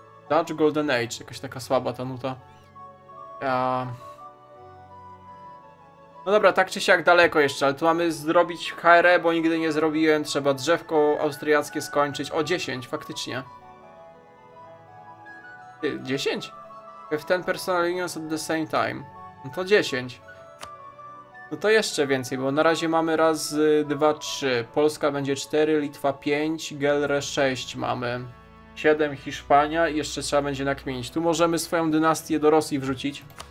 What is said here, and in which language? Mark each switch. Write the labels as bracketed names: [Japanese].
[Polish] Dutch Golden Age, jakaś taka słaba ta nuta. No dobra, tak czy siak daleko jeszcze, ale tu mamy zrobić HRE, bo nigdy nie zrobiłem. Trzeba drzewko austriackie skończyć. O, 10, faktycznie. 10? [English] If 10 personal unions at the same time. [Polish] No to 10. No to jeszcze więcej, bo na razie mamy raz, 2, 3. Polska będzie 4, Litwa 5, Gelre 6 mamy. 7, Hiszpania i jeszcze trzeba będzie nakminić. Tu możemy swoją dynastię do Rosji wrzucić.